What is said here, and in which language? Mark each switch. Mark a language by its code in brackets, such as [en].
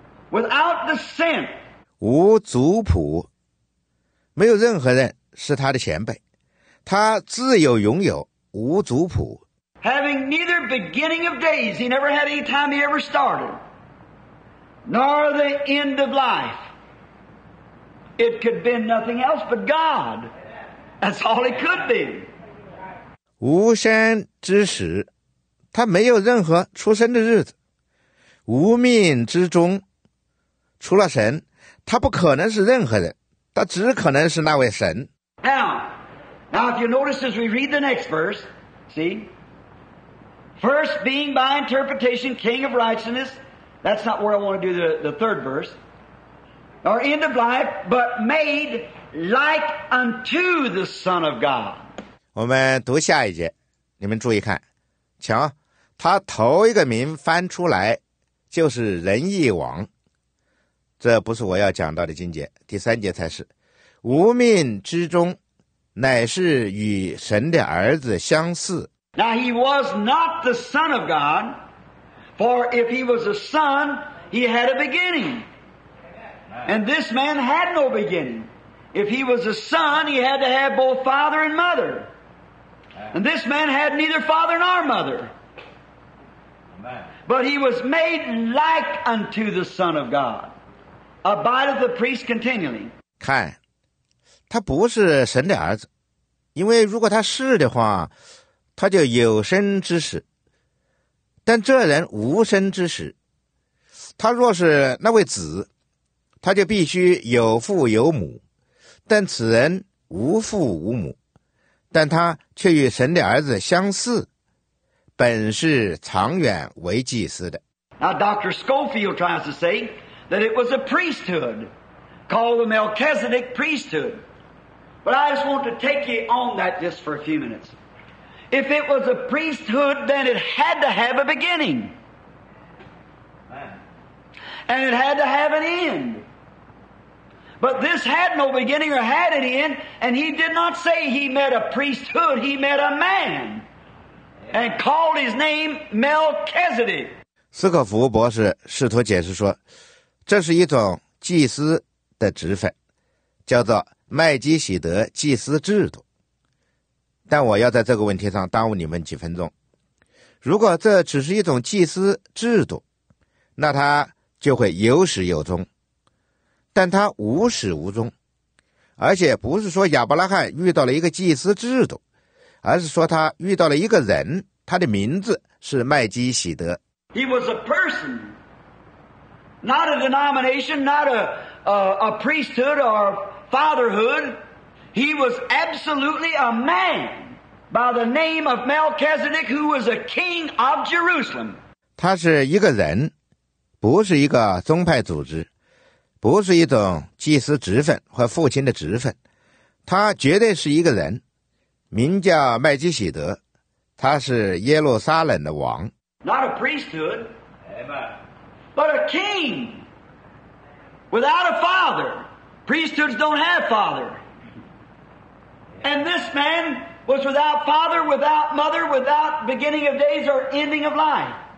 [en] Without the sin, [zh] 无族谱，没有任何人是他的前辈，他自有拥有，无族谱。 [en] Having neither beginning of days, he never had any time he ever started, nor the end of life. It could be nothing else but God. That's all it could be. [zh] 无生之始，他没有任何出生的日子，无命之中。除了神，他不可能是任何人，他只可能是那位神。 [en] Now, if you notice as we read the next verse, see? First being by interpretation, King of righteousness, that's not where I want to do the third verse, or end of life, but made like unto the Son of God. [zh] 我们读下一节，你们注意看，瞧，他头一个名翻出来，就是仁义王。这不是我要讲到的经节，第三节才是。无命之中，乃是与神的儿子相似。 [en] Now he was not the son of God, for if he was a son, he had a beginning. And this man had no beginning. If he was a son, he had to have both father and mother. And this man had neither father nor mother. But he was made like unto the son of God. Abideth the priest continually. [zh] 看，他不是神的儿子，因为如果他是的话，他就有生之始。但这人无生之始，他若是那位子，他就必须有父有母。但此人无父无母，但他却与神的儿子相似，本是长远为祭司的。 [en] Now, Dr. Schofield tries to say. That it was a priesthood called the Melchizedek priesthood. But I just want to take you on that just for a few minutes. If it was a priesthood, then it had to have a beginning. And it had to have an end. But this had no beginning or had an end, and he did not say he met a priesthood, he met a man and called his name Melchizedek. [zh] 斯科福博士试图解释说这是一种祭司的职分，叫做麦基洗德祭司制度。但我要在这个问题上耽误你们几分钟。如果这只是一种祭司制度，那它就会有始有终。但它无始无终，而且不是说亚伯拉罕遇到了一个祭司制度，而是说他遇到了一个人，他的名字是麦基洗德。 [en] He was a person. Not a denomination, not a priesthood or fatherhood. He was absolutely a man by the name of Melchizedek, who was a king of Jerusalem. [zh] 他是一个人，不是一个宗派组织，不是一种祭司职分或父亲的职分，他绝对是一个人，名叫麦基洗德，他是耶路撒冷的王。 [en] Not a priesthood, but a king without a father. Priesthoods don't have father. And this man was without father, without mother, without beginning of days or ending of life.